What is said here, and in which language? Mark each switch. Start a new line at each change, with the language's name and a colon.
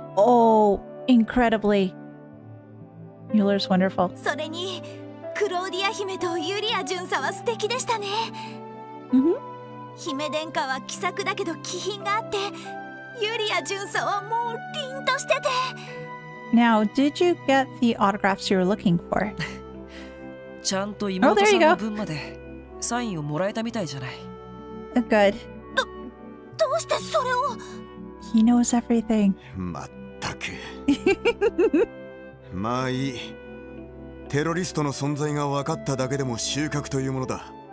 English: Oh, incredibly. Euler's wonderful.
Japanese: それに、クローディア姫とユリア巡査は素敵でしたね。 Mm-hmm. 姫殿下は気さくだけど気品があって、ユリア巡査はもう凛としてて。
English: Now, did you get the autographs you were looking for?
Japanese: ちゃんと妹さんの分までサインをもらえたみたいじゃない。
English: Good.
Japanese: どうしてそれを。
English: He knows everything.
Japanese: まったく。まあいい。テロリストの存在が分かっただけでも収穫というものだ。